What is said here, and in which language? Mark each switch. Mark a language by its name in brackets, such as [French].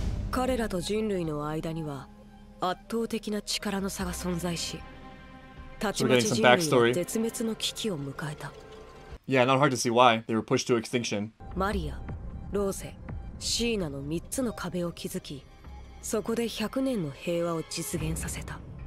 [Japanese] 彼らと人類の間には圧倒的な力の差が存在し、たちまち人類は絶滅の危機を迎えた。 [English] Yeah, not hard to see why they were pushed to extinction. [Japanese] マリア、ローゼ、シーナの3つの壁を築き、そこで100年の平和を実現させた。